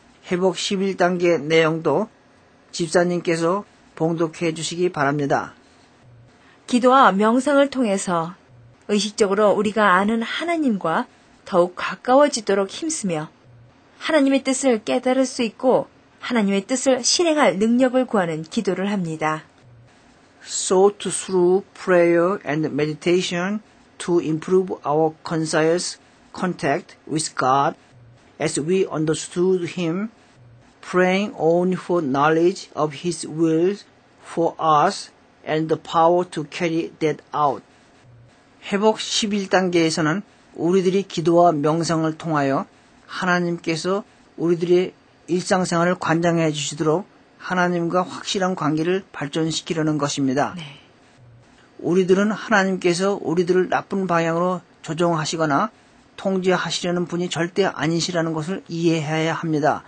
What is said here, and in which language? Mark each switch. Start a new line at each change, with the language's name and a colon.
Korean: 회복 11단계 내용도 집사님께서 봉독해 주시기 바랍니다. 기도와 명상을 통해서 의식적으로 우리가 아는 하나님과 더욱 가까워지도록 힘쓰며 하나님의 뜻을 깨달을 수 있고 하나님의 뜻을 실행할 능력을 구하는 기도를 합니다.
English: Sought through prayer and meditation to improve our conscious contact with God as we understood Him, praying only for knowledge of His will for us and the power to carry that out.
Korean: 회복 11단계에서는 우리들이 기도와 명상을 통하여 하나님께서 우리들의 일상생활을 관장해 주시도록 하나님과 확실한 관계를 발전시키려는 것입니다. 네. 우리들은 하나님께서 우리들을 나쁜 방향으로 조종하시거나 통제하시려는 분이 절대 아니시라는 것을 이해해야 합니다.